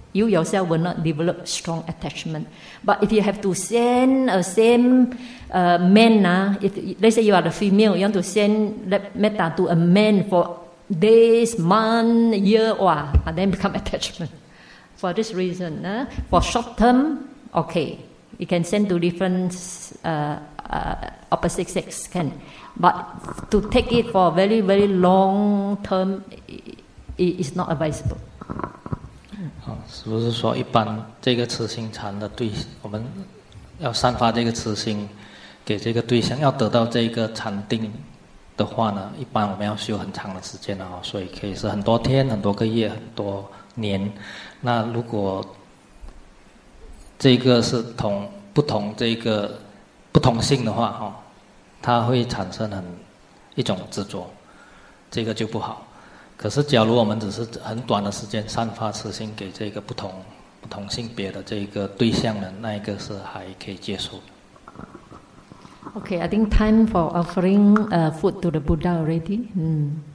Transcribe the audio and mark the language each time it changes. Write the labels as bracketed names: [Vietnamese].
[English] You yourself will not develop strong attachment. But if you have to send a same man, if let's say you are a female, you want to send metta to a man for days, month, year, and then become attachment. For this reason, for short term, okay. You can send to different opposite sex, can. But to take it for very, very long term, it is not advisable. [Chinese] 是不是说一般这个慈心禅的对我们要散发这个慈心给这个对象要得到这个禅定的话呢一般我们要修很长的时间所以可以是很多天很多个月很多年那如果这个是同不同这个不同性的话它会产生很一种执着这个就不好可是假如我们只是很短的时间散发慈心给这个不同性别的这个对象呢那一个是还可以接受的 [English] Okay, I think time for offering food to the Buddha already.